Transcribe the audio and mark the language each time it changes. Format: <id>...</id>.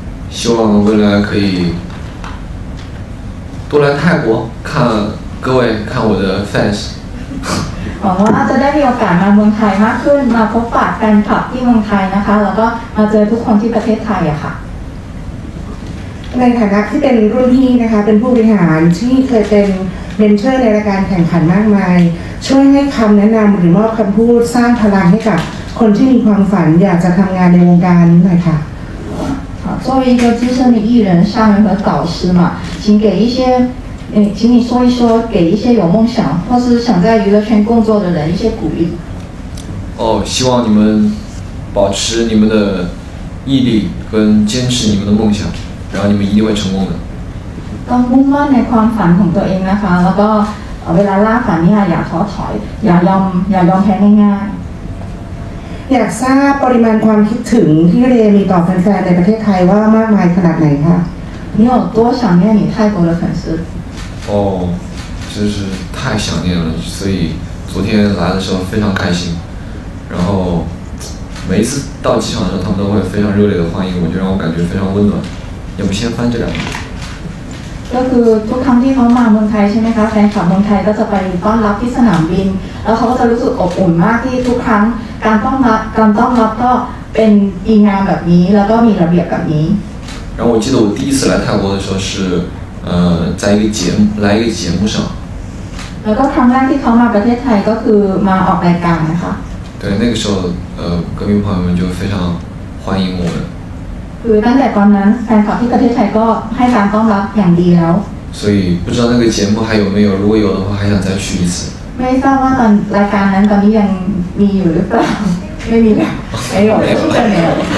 <zh>希望未来可以多来泰国看各位，看我的 fans。</zh> <th>หวังว่าจะได้มีโอกาสมาเมืองไทยมากขึ้นมาพบปะแฟนคลับที่เมืองไทยนะคะแล้วก็มาเจอทุกคนที่ประเทศไทยอะค่ะ ในฐานะที่เป็นรุ่นพี่นะคะเป็นผู้บริหารที่เคยเป็นเมนเทอร์ในรายการแข่งขันมากมายช่วยให้คำแนะนำหรือมอบคำพูดสร้างพลังให้กับคนที่มีความฝันอยากจะทำงานในวงการนี้หน่อยค่ะ</th> <zh>作为一个资深的艺人、商人和导师嘛，请给一些请你说一说，给一些有梦想或是想在娱乐圈工作的人一些鼓励。哦，希望你们保持你们的毅力跟坚持你们的梦想，然后你们一定会成功的。</zh> <th>ต้องมุ่งมั่นในความฝันของตัวเองนะคะแล้วก็เวลาล่าฝันเนี่ยอย่าท้อถอยอย่ายอมแพ้ง่าย อยากทราบปริมาณความคิดถึงที่เรมีต่อแฟนๆในประเทศไทยว่ามากมายขนาดไหนคะ</th> <zh>你有多想念你泰国的粉丝哦，真是太想念了，所以昨天来的时候非常开心。然后每一次到机场的时候，他们都会非常热烈的欢迎我，就让我感觉非常温暖。要不先翻这两个？</zh> <th>ก็คือทุกครั้งที่เขามาเมืองไทยใช่ไหมคะแฟนคลับเมืองไทยก็จะไปต้อนรับที่สนามบินแล้วเขาก็จะรู้สึกอบอุ่นมากที่ทุกครั้งการต้อนรับก็เป็นดีงามแบบนี้แล้วก็มีระเบียบแบบนี้</th> <zh>然后我记得我第一次来泰国的时候是在一个节目来一个节目上</zh> <th>แล้วก็ครั้งแรกที่เขามาประเทศไทยก็คือมาออกรายการนะคะ</th> <zh>对那个时候歌迷朋友们就非常欢迎我们</zh> <th>คือตั้งแต่ตอนนั้นแฟนคลับที่ประเทศไทยก็ให้การต้อนรับอย่างดีแล้ว</th> <zh>所以不知道那个节目还有没有如果有的话还想再去一次</zh> <th>ไม่ทราบว่าตอนรายการนั้นตอนนี้ยังมีอยู่หรือเปล่าไม่มีแล้วไม่หรอกไม่ใช่แล้ว</th>